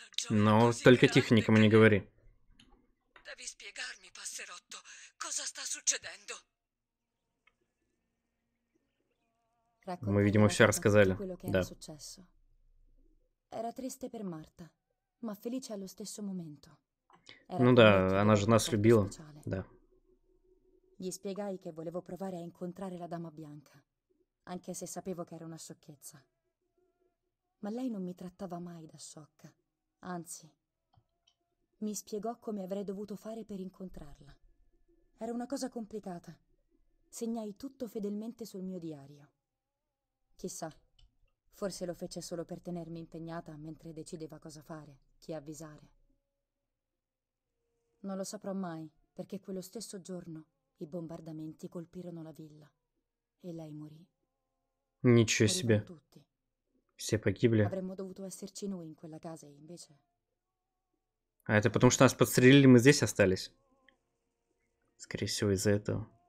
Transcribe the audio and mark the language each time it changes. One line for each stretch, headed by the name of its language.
Russian: Но только тихо, никому не говори.
Italian: Devi spiegarmi, passerotto, cosa sta succedendo?
Russian: Мы, видимо, все рассказали. Да.
Italian: Era triste per Marta, ma felice allo stesso momento.
Russian: Ну да, она же нас любила. Да.
Italian: Gli spiegai che volevo provare a incontrare la dama bianca, anche se sapevo che era una sciocchezza. Ma lei non mi trattava mai da sciocca. Anzi, mi spiegò come avrei dovuto fare per incontrarla. Era una cosa complicata. Segnai tutto fedelmente sul mio diario. Chissà, forse lo fece solo per tenermi impegnata mentre decideva cosa fare, chi avvisare. Non lo saprò mai, perché quello stesso giorno i bombardamenti colpirono la villa e lei morì.
Russian: Ничего себе.
Italian: Tutti.
Russian: Все погибли.
Italian: Avremmo dovuto esserci noi in quella casa, invece.
Russian: А это потому, что нас подстрелили, мы здесь остались. Скорее всего, из-за этого.